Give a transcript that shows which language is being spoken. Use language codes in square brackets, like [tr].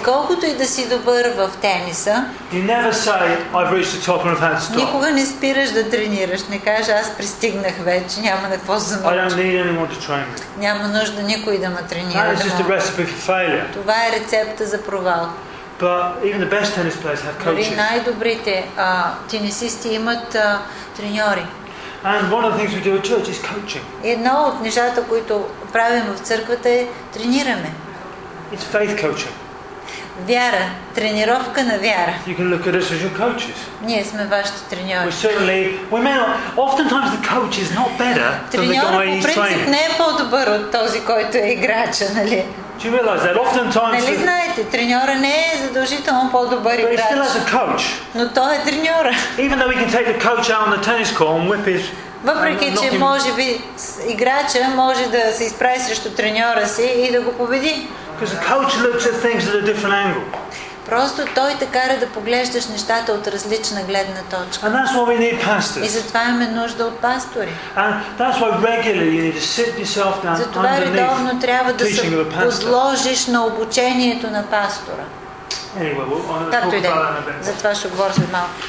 [bg] И колкото и да си добър в тениса, [en] you never say I've reached the top and I've had to stop. [bg] Никога не спираш да тренираш, не кажеш аз пристигнах вече, няма на какво замълча. [en] I don't need anyone to train. [bg] Няма нужда никой да ме тренира. [en] That is just a recipe for failure. [bg] Това е рецепта за провал. [en] But even the best tennis players have coaches. [bg] Най-добрите тенисисти имат треньори. [en] And one of the things we do at church is coaching. [bg] Едно от нещата, които правим в църквата, е тренираме. [en] It's faith coaching. [bg] Вяра, тренировка на вяра. [en] You can look at us as your coaches. [bg] Ние сме вашите треньори. [en] We may not. Oftentimes the coach is not better than the guy he's training. [bg] Треньорът по принцип не е по-добър от този, който е играча, нали? [en] Do you realize that? Oftentimes, [bg] нали знаете, треньора не е задължително по-добър играч. [en] But he still has a coach. [bg] Но той е треньора. [en] Even though he can take the coach out on the tennis court and whip his. [bg] Въпреки че може би играча може да се изправи срещу треньора си и да го победи. [en] Because the coach looks at things at a different angle. [bg] Просто той те кара да поглеждаш нещата от различна гледна точка. [en] And that's why we need pastors. [bg] И затова имаме нужда от пастори. [en] And that's why regularly you need to sit yourself down. [bg] Затова редовно трябва да се подложиш на обучението на пастора. Както и да е. Затова ще говоря след малко.